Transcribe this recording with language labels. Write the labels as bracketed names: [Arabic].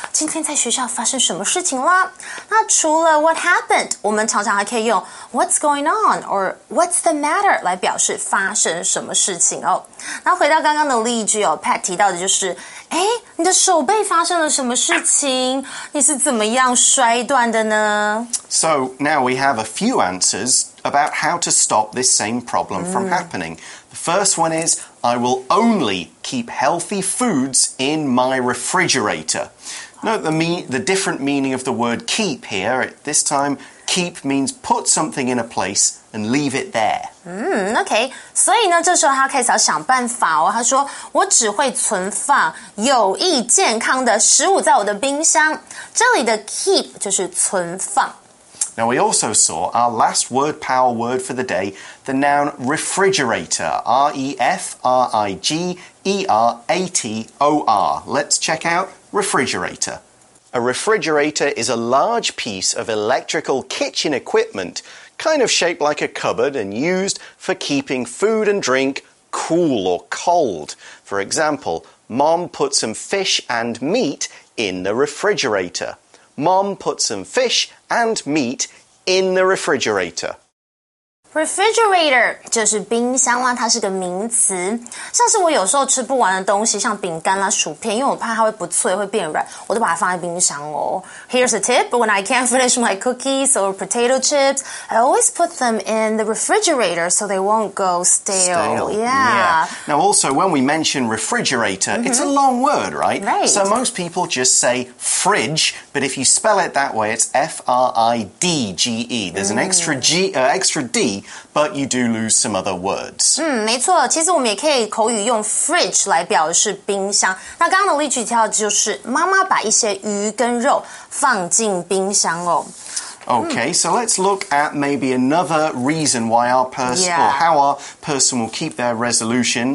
[Chinese] 今天在学校发生什么事情啦？那除了 [English] what happened, [Chinese] 我们常常还可以用 [English] what's going on or what's the matter [Chinese] 来表示发生什么事情哦。那回到刚刚的例句哦， Pat 提到的就是哎，你的手背发生了什么事情？你是怎么样摔断的呢？ [English] So now we have a few answers about how to stop this same problem、mm. from happening. The first one is, I will only keep healthy foods in my refrigerator. Note the different meaning of the word keep here. This time, keep means put something in a place and leave it there. [Chinese] 嗯 ,OK, 所以呢这时候他开始要想办法哦，他说我只会存放有益健康的食物在我的冰箱，这里的 keep 就是存放。 [English] Now we also saw our last word power word for the day, the noun refrigerator, R-E-F-R-I-G-E-R-A-T-O-R. Let's check out refrigerator. A refrigerator is a large piece of electrical kitchen equipment,kind of shaped like a cupboard and used for keeping food and drink cool or cold. For example, Mom put some fish and meat in the refrigerator. Mom put some fish and meat in the refrigerator. [Chinese] Refrigerator 就是冰箱啦，它是个名词。像是我有时候吃不完的东西，像饼干啦、薯片，因为我怕它会不脆、会变软，我都把它放在冰箱哦。 [English] Here's a tip: when I can't finish my cookies or potato chips, I always put them in the refrigerator so they won't go stale. Now, also, when we mention refrigerator,、mm-hmm. it's a long word, right? Right. So most people just say fridge, but if you spell it that way, it's F-R-I-D-G-E. There's an extra G,、extra D. But you do lose some other words. [Chinese] 没错，其实我们也可以口语用 fridge 来表示冰箱。那刚刚的例句提到就是妈妈把一些鱼跟肉放进冰箱哦。 [English] Okay, so let's look at maybe another reason why our person、 yeah. or how our person will keep their resolution.